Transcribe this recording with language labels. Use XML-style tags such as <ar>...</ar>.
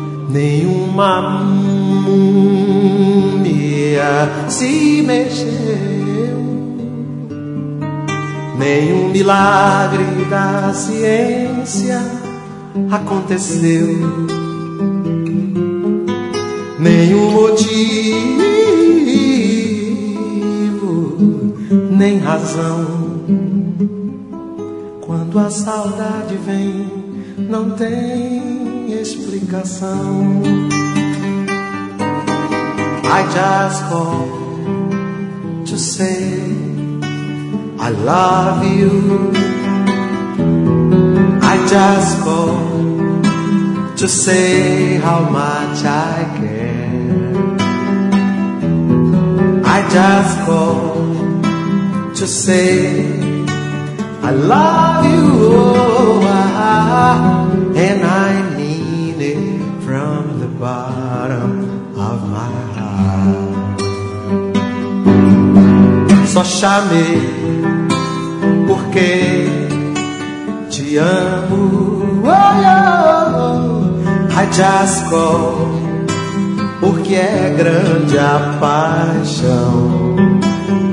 <pt>nenhuma múmia se mexeu, nenhum milagre da ciência aconteceu, nenhum motivo, nem razão. Quando a saudade vem, não tem explicação.</pt> <en>I just call to say I love you. I just call to say how much I care. I just call to say I love you, and I mean it from the bottom of my heart.</en> <pt>Só chamei porque te amo, oh, oh, oh.</pt> <en>I just call</en> <pt>porque é grande a paixão.</pt>